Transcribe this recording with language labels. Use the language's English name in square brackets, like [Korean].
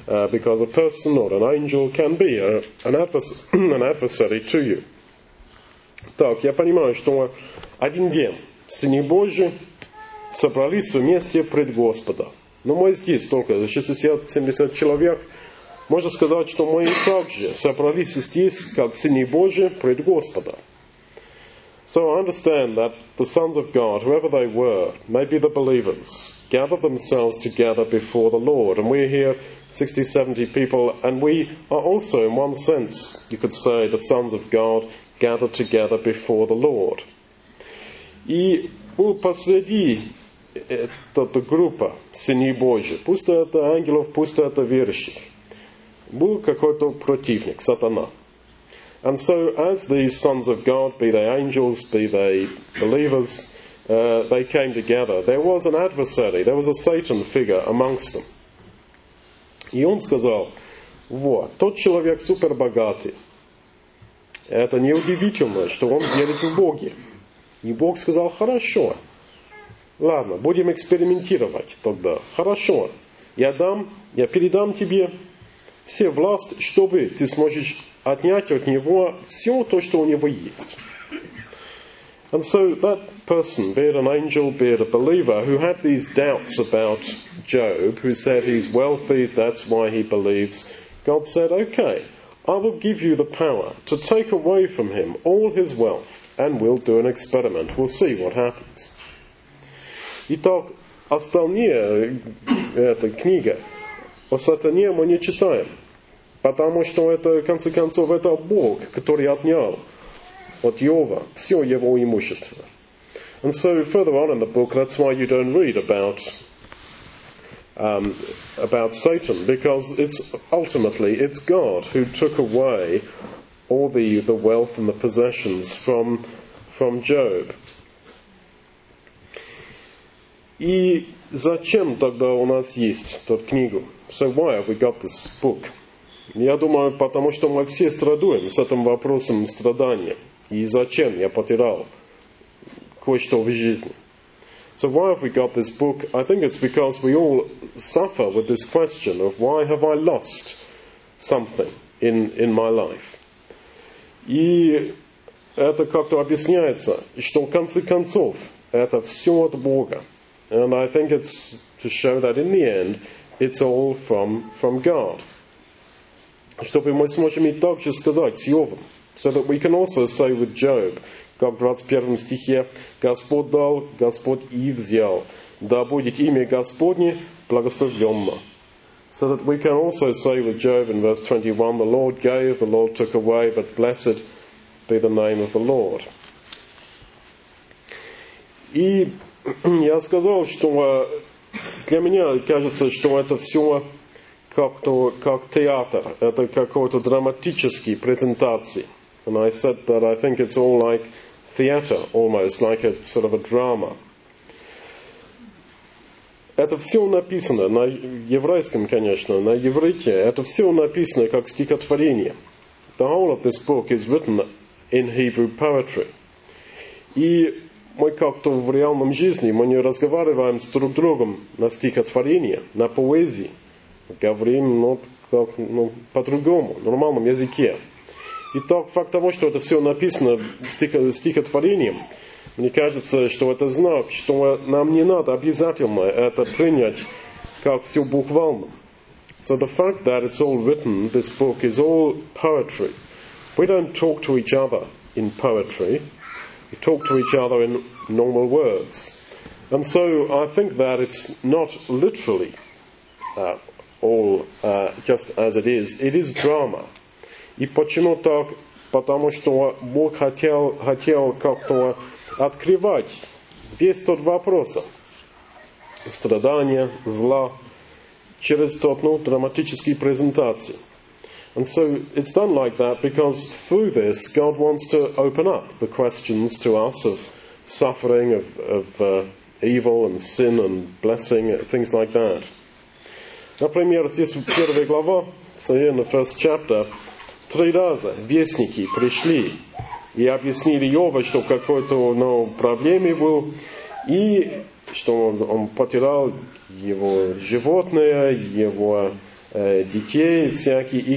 [English] Because a person or an angel can be an adversary to you. [Russian] Так, я понимаю, что один день сыны Божии собрались вместе пред Господа. Но мы здесь только 60-70 человек. Можно сказать, что мы также собрались здесь, как сыны Божии, пред Господа. [English] So I understand that the sons of God, whoever they were, maybe the believers, gathered themselves together before the Lord. And we're here 60-70 people, and we are also, in one sense, you could say, the sons of God gathered together before the Lord. [Russian] И посреди эта группа сыны Божии, пусть это ангелов, пусть это верующих, был какой-то противник, сатана. [English] And so, as these sons of God, be they angels, be they believers, they came together, there was an adversary, there was a Satan figure amongst them. [Russian] И он сказал, вот, тот человек супербогатый. Это неудивительно, что он верит в Бога. И Бог сказал, хорошо, ладно, будем экспериментировать тогда. Хорошо, я передам тебе все власть, чтобы ты сможешь отнять от него все то, что у него есть. [English] And so that person, be it an angel, be it a believer, who had these doubts about Job, who said he's wealthy, that's why he believes, God said, okay, I will give you the power to take away from him all his wealth, and we'll do an experiment. We'll see what happens. [Russian] Итак, остальные эта книга о сатане мы не читаем. Потому что это, в конце концов, это Бог, который отнял от Иова все его имущество. [English] And so, further on in the book, that's why you don't read about Satan, because it's ultimately it's God who took away all the wealth and the possessions from Job. [Russian] И зачем тогда у нас есть тот книгу? [English] So why have we got this book? [Russian] Я думаю, потому что мы все страдаем с этим вопросом страдания. И зачем я потерял кое-что в жизни? [English] So why have we got this book? I think it's because we all suffer with this question of why have I lost something in my life? [Russian] И это как-то объясняется, что в конце концов это все от Бога. [English] And I think it's to show that in the end it's all from God. [Russian] Чтобы мы сможем и так же сказать с Иовом. [English] So that we can also say with Job, [Russian] как в 21 стихе, Господь дал, Господь и взял. Да будет имя Господне благословенно. [English] So that we can also say with Job in verse 21, the Lord gave, the Lord took away, but blessed be the name of the Lord. [Russian] И я сказал, что для меня кажется, что это все как театр. Это какой-то драматический презентации. [English] And I said that I think it's all like theater, almost like a sort of a drama. [Russian] Это все написано на еврейском, конечно, на иврите. Это все написано как стихотворение. [English] The whole of this book is written in Hebrew poetry. [Russian] И мы как-то в реальном жизни, мы не разговариваем с друг другом на стихотворение, на поэзии. Говорим, по-другому, в нормальном языке. И так, факт того, что это все написано стихотворением, мне кажется, что это знак, что нам не надо обязательно это принять как все буквально. [English] So the fact that it's all written, this book, is all poetry. We don't talk to each other in poetry. We talk to each other in normal words. And so I think that it's not literally all just as it is. It is drama. [Russian] И почему так? Потому что Бог хотел как-то открывать весь тот вопрос страдания, зла через тот, драматический презентации. [English] And so it's done like that because through this God wants to open up the questions to us of suffering, of evil and sin and blessing, things like that. [Russian] Например, здесь в первой главе, [English] so here in the first chapter, [Russian] три раза вестники пришли и объяснили Иову, что какой-то проблеме был, и что он потерял его животное, его детей всякие.